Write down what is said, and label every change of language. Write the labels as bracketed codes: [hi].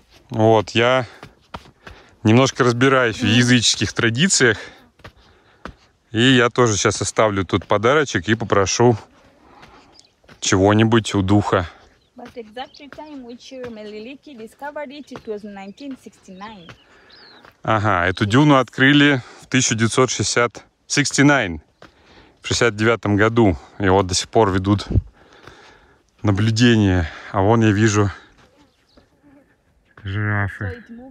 [ru] Вот, я немножко разбираюсь в языческих традициях. И я тоже сейчас оставлю тут подарочек и попрошу чего-нибудь у духа. [en] But the exact time which Meliliki discovered it, it was 1969. [ru] Ага, эту дюну открыли в 1969 году. И вот до сих пор ведут наблюдение. А вон я вижу жирафы.